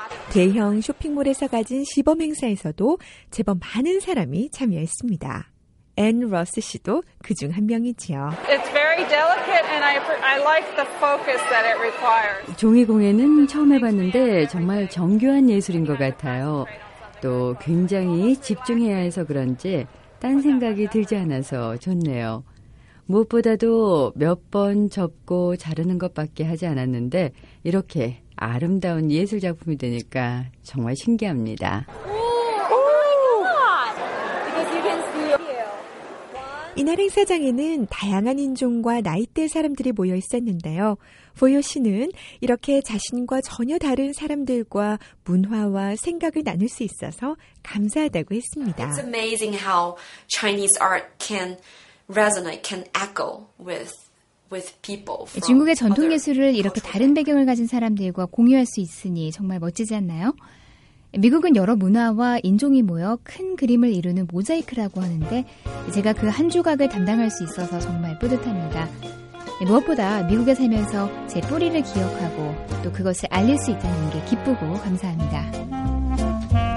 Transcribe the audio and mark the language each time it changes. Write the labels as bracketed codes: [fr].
[ko] 대형 쇼핑몰에서 가진 시범 행사에서도 제법 많은 사람이 참여했습니다. 앤 러스 씨도 그중 한 명이지요. [en] It's very delicate and I like the focus that it requires. [ko] 종이 공예는 처음 해봤는데 정말 정교한 예술인 것 같아요. 또 굉장히 집중해야 해서 그런지 딴 생각이 들지 않아서 좋네요. 무엇보다도 몇 번 접고 자르는 것밖에 하지 않았는데 이렇게 아름다운 예술 작품이 되니까 정말 신기합니다. 이날 행사장에는 다양한 인종과 나이대 사람들이 모여 있었는데요. 보요 씨는 이렇게 자신과 전혀 다른 사람들과 문화와 생각을 나눌 수 있어서 감사하다고 했습니다. [en] It's amazing how Chinese art can resonate, can echo with people. [ko] 중국의 전통 예술을 이렇게 다른 배경을 가진 사람들과 공유할 수 있으니 정말 멋지지 않나요? 미국은 여러 문화와 인종이 모여 큰 그림을 이루는 모자이크라고 하는데 제가 그 한 조각을 담당할 수 있어서 정말 뿌듯합니다. 무엇보다 미국에 살면서 제 뿌리를 기억하고 또 그것을 알릴 수 있다는 게 기쁘고 감사합니다.